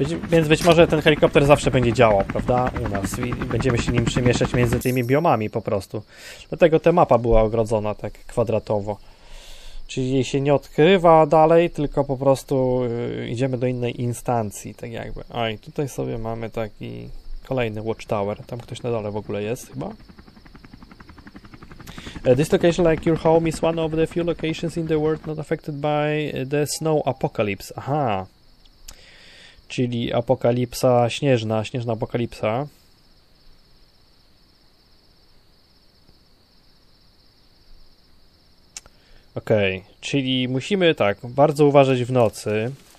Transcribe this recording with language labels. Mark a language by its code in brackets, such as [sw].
[pl] Więc być może ten helikopter zawsze będzie działał, prawda? U nas i będziemy się nim przemieszczać między tymi biomami po prostu. Dlatego ta mapa była ogrodzona tak kwadratowo. Czyli jej się nie odkrywa dalej, tylko po prostu idziemy do innej instancji, tak jakby. Oj, tutaj sobie mamy taki kolejny watchtower. Tam ktoś na dole w ogóle jest chyba. [en] This location like your home is one of the few locations in the world not affected by the snow apocalypse. Aha. [pl] Czyli apokalipsa śnieżna, śnieżna apokalipsa. Okej, okay. Czyli musimy tak, bardzo uważać w nocy.